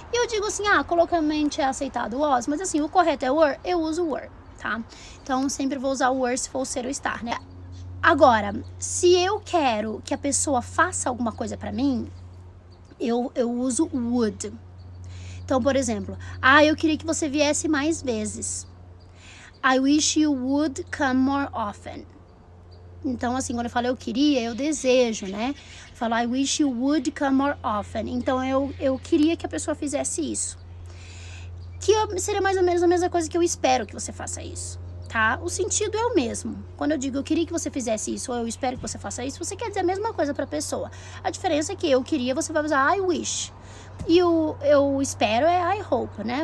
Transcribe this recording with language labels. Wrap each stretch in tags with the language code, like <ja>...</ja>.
<pt>E eu digo assim, coloquialmente é aceitado o was, mas assim, o correto é were, eu uso were, tá? Então sempre vou usar o were se for ser ou estar, né? Agora, se eu quero que a pessoa faça alguma coisa pra mim, eu uso would. Então, por exemplo, ah, eu queria que você viesse mais vezes.</pt> <en>I wish you would come more often.</en> <pt>Então, assim, quando eu falo eu queria, eu desejo, né? Eu falo</pt> <en>I wish you would come more often.</en> <pt>Então, eu queria que a pessoa fizesse isso. Que seria mais ou menos a mesma coisa que eu espero que você faça isso. Tá? O sentido é o mesmo. Quando eu digo eu queria que você fizesse isso, ou eu espero que você faça isso, você quer dizer a mesma coisa para a pessoa. A diferença é que eu queria, você vai usar I wish. E o eu espero é I hope, né?</pt>